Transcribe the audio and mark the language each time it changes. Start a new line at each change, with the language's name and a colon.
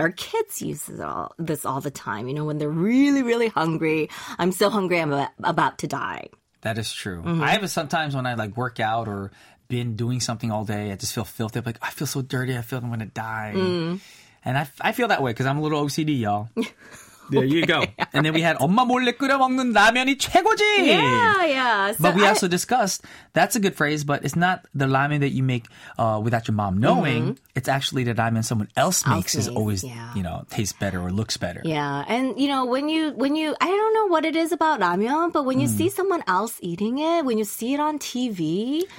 English: Our kids use this all the time. You know, when they're really, really hungry. I'm so hungry, I'm about to die. That is true. Mm-hmm. I have sometimes when I like work out or been doing something all day, I just feel filthy. I'm like, I feel so dirty. I feel I'm going to die. Mm. And I feel that way because I'm a little OCD, y'all. There you go. And then we had
Korean: 엄마 몰래 끓여 먹는 라면이 최고지.
English: Yeah, yeah. So but we also discussed that's a good phrase, but it's not the ramen that you make without your mom knowing. Mm-hmm. It's actually the ramen someone else makes is always, yeah, you know, tastes better or looks better. Yeah. And you know, when you I don't know what it is about ramen, but when you see someone else eating it, when you see it on TV,